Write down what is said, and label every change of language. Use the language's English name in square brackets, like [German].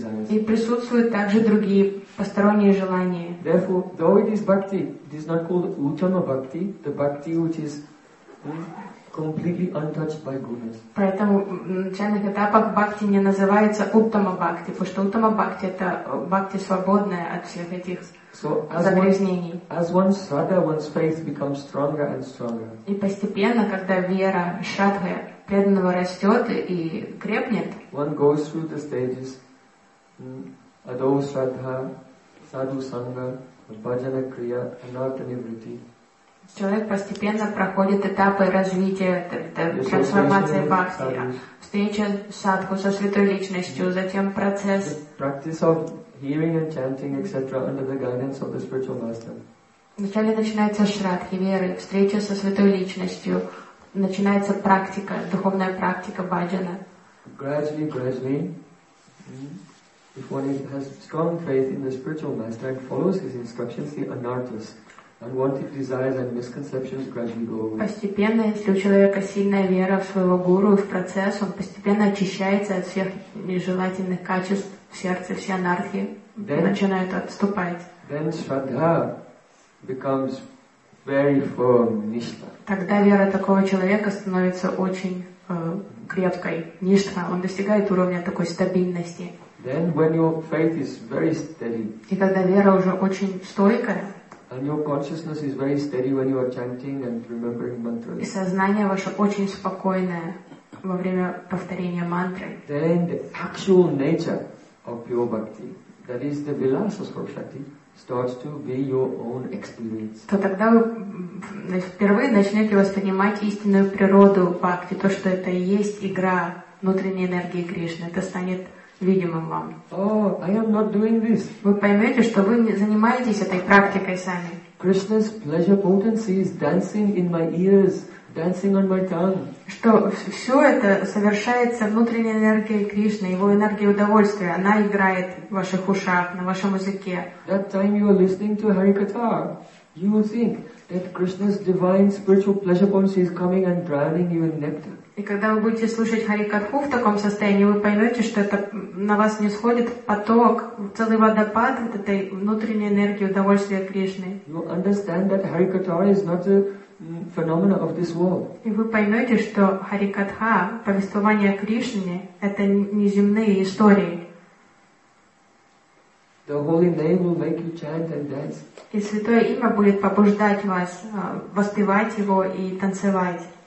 [Russian] И присутствуют также другие посторонние желания. [English] Therefore, though it is bhakti, it is not called uttama bhakti, the bhakti which is completely untouched by gunas. [Russian] Поэтому в начальных этапах бхакти не называется уттама бхакти, потому что уттама бхакти это бхакти свободная от всех этих загрязнений. [English] As one's shraddha, one's faith becomes stronger and stronger. [Russian] И постепенно, когда вера шраддхи преданного растет и крепнет. [English] One goes through the stages. Adho Shraddha, Sadhu Sangha, Bhajana Kriya, Anartha Nivritti. [Russian] Человек постепенно проходит этапы развития, трансформации бхакти. Встреча садху со святой личностью, затем процесс. [English] The practice of hearing and chanting, etc. under the guidance of the spiritual master. [Russian] Вначале начинается шраддхи, веры, встреча со святой личностью. начинается практика, духовная практика баджана. [English] Gradually, gradually. If one has strong faith in the spiritual master and follows his instructions, the anarthas, unwanted desires and misconceptions gradually go away. [Russian] Постепенно, если у человека сильная вера в своего гуру и в процесс, он постепенно очищается от всех нежелательных качеств в сердце, все анархии начинают отступать. [English] Then shraddha becomes very firm, nishtha. [Russian] Тогда вера такого человека становится очень крепкой, нишна, он достигает уровня такой стабильности. [English] Then when your faith is very steady, [Russian] и когда вера уже очень стойкая, [English] and your consciousness is very steady when you are chanting and remembering mantras, [Russian] и сознание ваше очень спокойное во время повторения мантры, [English] then the actual nature of pure bhakti, that is the vilasa svarupshakti, starts to be your own experience. [Russian] То тогда вы впервые начнете воспринимать истинную природу бхакти, то, что это и есть игра внутренней энергии Кришны, это станет видимым вам. [English] Oh, I am not doing this. [Russian] Вы поймете, что вы не занимаетесь этой практикой сами. [English] Krishna's pleasure potency is dancing in my ears, dancing on my tongue. [Russian] Что все это совершается внутренней энергией Кришны, его энергией удовольствия, она играет в ваших ушах, на вашем языке. [English] That time you are listening to Harikatha, you will think that Krishna's divine spiritual pleasure potency is coming and drowning you in nectar. [Russian] И когда вы будете слушать Харикатху в таком состоянии, вы поймете, что это на вас нисходит поток, целый водопад вот этой внутренней энергии удовольствия Кришны. [English] You understand that Harikatha is not a phenomenon of this world. [Russian] И вы поймете, что Харикатха, повествование о Кришне, это неземные истории. [English] The holy name will make you chant and dance. [Russian] И святое имя будет побуждать вас воспевать его и танцевать.